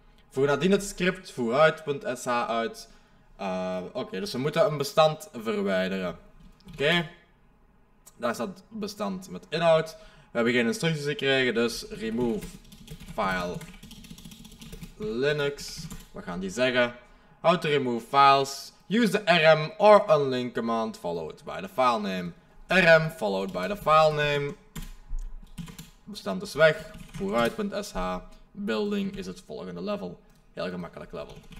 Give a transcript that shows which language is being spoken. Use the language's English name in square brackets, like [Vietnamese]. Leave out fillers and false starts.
[Dutch] Voer nadien het script vooruit.sh uit. Oké, dus we moeten een bestand verwijderen. Oké. Daar staat bestand met inhoud. We hebben geen instructies gekregen, dus [English] remove file Linux. [Dutch] Wat gaan die zeggen? [English] How to remove files. Use the rm or unlink command followed by the file name. Rm followed by the file name. [Dutch] Bestand is weg. Vooruit.sh. Building is het volgende level. Heel gemakkelijk level.